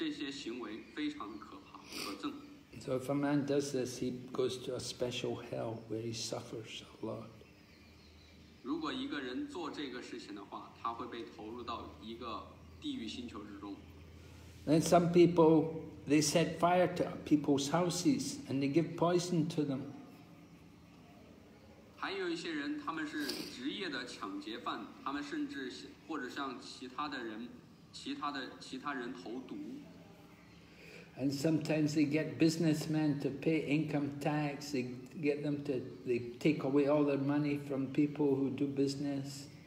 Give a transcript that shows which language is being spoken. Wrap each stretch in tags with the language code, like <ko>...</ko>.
<zh>只有低等阶层的人才从事这样肮脏的这种行径。这些行为非常可怕、可憎。</zh> <en>So if a man does this, he goes to a special hell where he suffers a lot.</en> <zh>如果一个人做这个事情的话，他会被投入到一个地狱星球之中。</zh> <en>And some people, they set fire to people's houses and they give poison to them.</en> <zh>还有一些人，他们是职业的抢劫犯，他们甚至或者像其他的人投毒。</zh> <en>And sometimes they get businessmen to pay income tax, they get them to, they take away all their money from people who do business.</en>